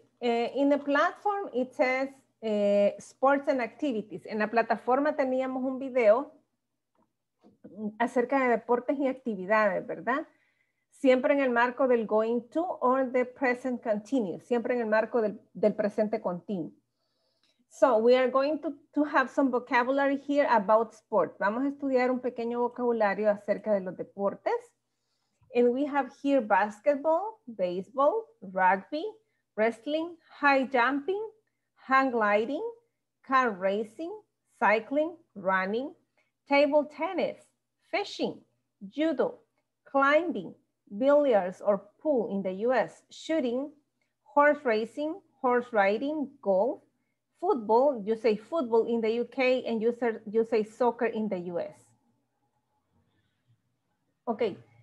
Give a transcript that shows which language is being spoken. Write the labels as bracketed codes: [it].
[en] In the platform, it says sports and activities. [es] En la plataforma teníamos un video acerca de deportes y actividades, ¿verdad? Siempre en el marco del [en] going to or the present continuous. [es] Siempre en el marco del presente continuo. [en] So we are going to have some vocabulary here about sport. [es] Vamos a estudiar un pequeño vocabulario acerca de los deportes. [en] And we have here basketball, baseball, rugby, wrestling, high jumping, hang gliding, car racing, cycling, running, table tennis, fishing, judo, climbing, billiards or pool in the US, shooting, horse racing, horse riding, golf, football, you say football in the UK, and you say soccer in the US. Okay,